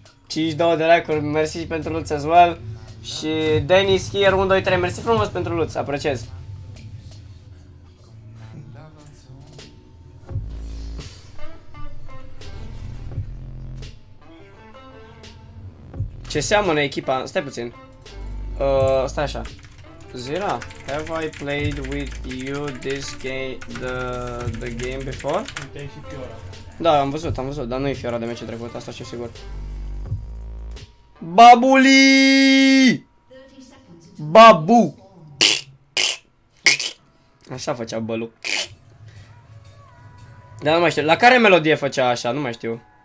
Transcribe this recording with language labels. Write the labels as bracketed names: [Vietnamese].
[Romanian] Și 2 de like-uri, mersi și pentru Luț [English] as well. [Romanian] Și Dennis here, 1, 2, 3, mersi frumos pentru Luț, apreciez. Ce seamănă echipa, stai puțin. Stai așa. [English] Zira, have I played with you this game, the game before? [Romanian] Da, am văzut, am văzut, dar nu e Fiora de meciul trecut, asta știu sigur. Babuli! Babu! Așa făcea Bălu. Dar nu mai știu. La care melodie făcea așa? Nu mai știu.